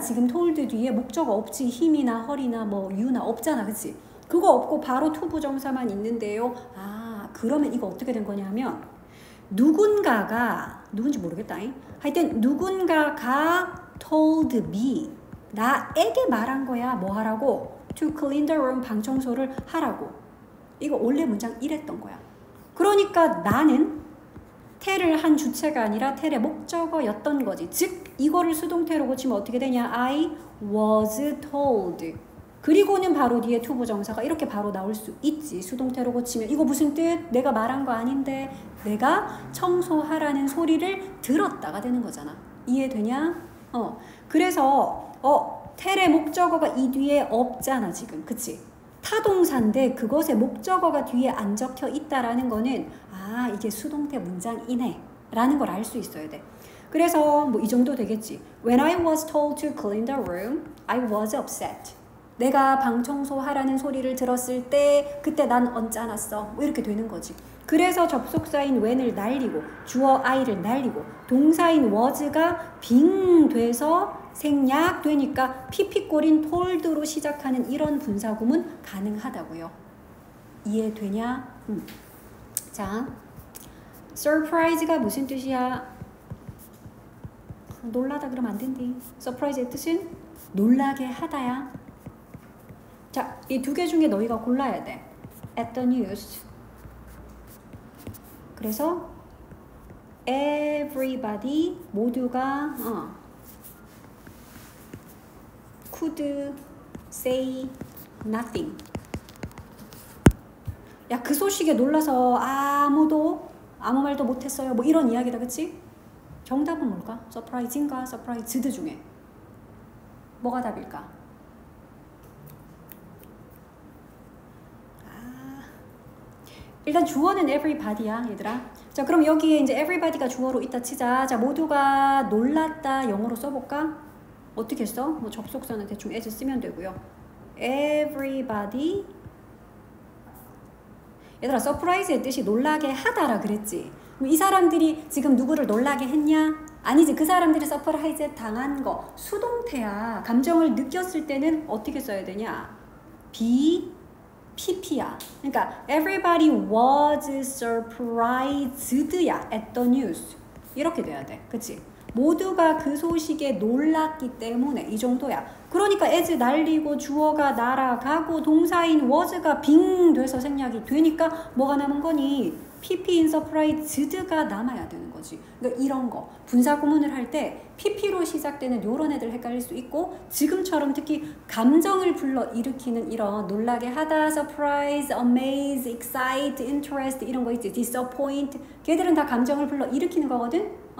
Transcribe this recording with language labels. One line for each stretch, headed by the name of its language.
Korean: 지금 told 뒤에 목적어 없지. 힘이나 허리나 뭐 유나 없잖아. 그치? 그거 없고 바로 to 부정사만 있는데요. 아, 그러면 이거 어떻게 된 거냐면 누군가가, 누군지 모르겠다잉. 하여튼 누군가가
English: told me,
Korean: 나에게 말한 거야. 뭐 하라고?
English: To clean the room,
Korean: 방 청소를 하라고. 이거 원래 문장 이랬던 거야. 그러니까 나는 tell을 한 주체가 아니라 tell의 목적어였던 거지. 즉, 이거를 수동태로 고치면 어떻게 되냐?
English: I was told.
Korean: 그리고는 바로 뒤에 to 부정사가 이렇게 바로 나올 수 있지. 수동태로 고치면 이거 무슨 뜻? 내가 말한 거 아닌데 내가 청소하라는 소리를 들었다가 되는 거잖아. 이해되냐? 그래서 텔의 목적어가 이 뒤에 없잖아 지금. 그치? 타동사인데 그것의 목적어가 뒤에 안 적혀 있다라는 거는 아, 이게 수동태 문장이네 라는 걸 알 수 있어야 돼. 그래서 뭐 이 정도 되겠지.
English: When I was told to clean the room, I was upset.
Korean: 내가 방 청소하라는 소리를 들었을 때 그때 난 언짢았어. 뭐 이렇게 되는 거지. 그래서 접속사인 when을 날리고 주어 I를 날리고 동사인 was가 being 돼서 생략되니까 PP꼴인 told로 시작하는 이런 분사구문 가능하다고요. 이해되냐? 자, surprise가 무슨 뜻이야? 놀라다 그러면 안 된대. surprise의 뜻은 놀라게 하다야. 자, 이 두 개 중에 너희가 골라야 돼.
English: At the news. 그래서 everybody,
Korean: 모두가
English: could say nothing.
Korean: 야, 그 소식에 놀라서 아무도 아무 말도 못했어요. 뭐 이런 이야기다, 그치? 정답은 뭘까? surprise인가? surprised 중에 뭐가 답일까? 일단 주어는 everybody야, 얘들아. 자, 그럼 여기에 이제 everybody가 주어로 있다 치자. 자, 모두가 놀랐다 영어로 써볼까? 어떻게 써? 뭐 접속사는 대충 as 쓰면 되고요.
English: Everybody.
Korean: 얘들아, surprise의 뜻이 놀라게 하다라 그랬지. 이 사람들이 지금 누구를 놀라게 했냐? 아니지, 그 사람들이 surprise 당한 거. 수동태야. 감정을 느꼈을 때는 어떻게 써야 되냐? be PP야. 그러니까
English: everybody was surprised야 at the news.
Korean: 이렇게 돼야 돼. 그치? 모두가 그 소식에 놀랐기 때문에 이 정도야. 그러니까 as 날리고 주어가 날아가고 동사인 was가 빙 돼서 생략이 되니까 뭐가 남은 거니? PP인 surprised가 남아야 되는 거지. 그러니까 이런 거 분사구문을 할 때 PP로 시작되는 이런 애들 헷갈릴 수 있고 지금처럼 특히 감정을 불러일으키는 이런 놀라게 하다, surprise, amaze, excite, interest 이런 거 있지, disappoint 걔들은 다 감정을 불러일으키는 거거든.